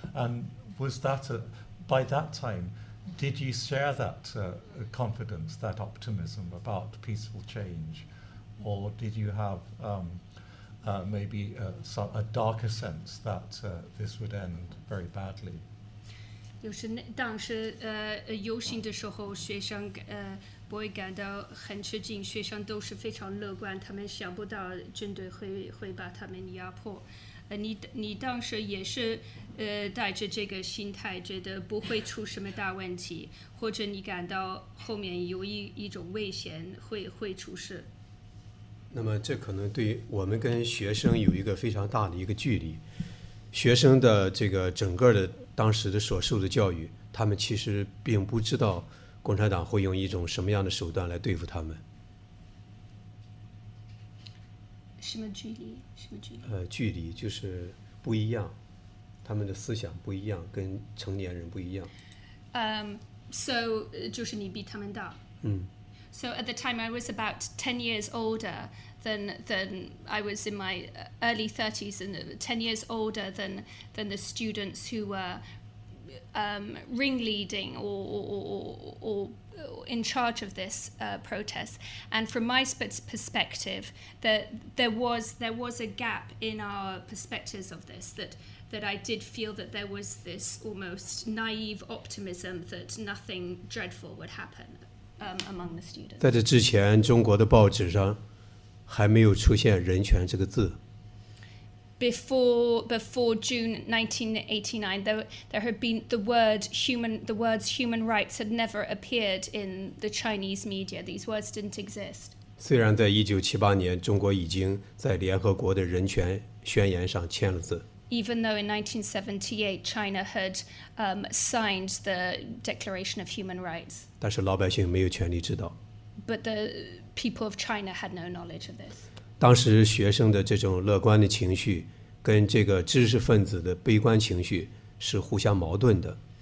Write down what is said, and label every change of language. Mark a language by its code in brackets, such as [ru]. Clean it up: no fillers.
[en] And was that, by that time, did you share that confidence, that optimism about peaceful change? Or did you have a darker sense that this would end very badly? [zh] 就是当时游行的时候，学生不会感到很吃惊，学生都是非常乐观，他们想不到军队会把他们压迫。你当时也是带着这个心态，觉得不会出什么大问题，或者你感到后面有一种危险会出事。那么这可能对我们跟学生有一个非常大的一个距离。学生的这个整个的当时的所受的教育，他们其实并不知道共产党会用一种什么样的手段来对付他们。什么距离就是不一样，他们的思想不一样，跟成年人不一样。 So 就是你比他们大。嗯。 [en] So at the time I was about 10 years older than I was in my early 30s and 10 years older than the students who were ringleading or in charge of this protest. And from my perspective, there was a gap in our perspectives of this, that I did feel that there was this almost naive optimism that nothing dreadful would happen among the students. [zh] 在这之前，中国的报纸上还没有出现人权这个字。 [en] before June 1989, there had been the words human rights had never appeared in the Chinese media. These words didn't exist. [zh] 虽然在1978年，中国已经在联合国的人权宣言上签了字。 [en] Even though in 1978 China had signed the Declaration of Human Rights. [zh] 但是老百姓没有权利知道。 [en] But the people of China had no knowledge of this. [zh] 当时学生的这种乐观的情绪跟这个知识分子的悲观情绪是互相矛盾的。